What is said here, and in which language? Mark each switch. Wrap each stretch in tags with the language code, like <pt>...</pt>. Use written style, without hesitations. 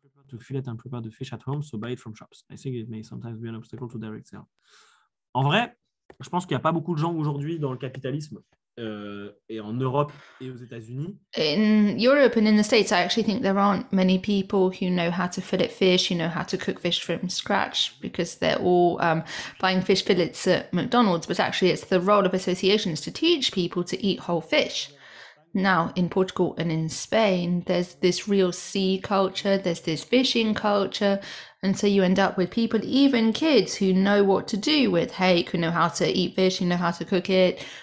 <en>To fillet and prepare the fish at home, so buy it from shops. I think it may sometimes be an obstacle to direct sale.</en> <fr>En vrai, je pense qu'il n'y a pas beaucoup de gens aujourd'hui dans le capitalisme et en Europe et aux États-Unis.</fr> <en>In Europe and in the States, I actually think there aren't many people who know how to fillet fish, who know how to cook fish from scratch, because they're all buying fish fillets at McDonald's. But actually, it's the role of associations to teach people to eat whole fish. Now, in Portugal and in Spain, there's this real sea culture, there's this fishing culture, and so you end up with people, even kids, who know what to do with hake, who know how to eat fish, who know how to cook it.</en>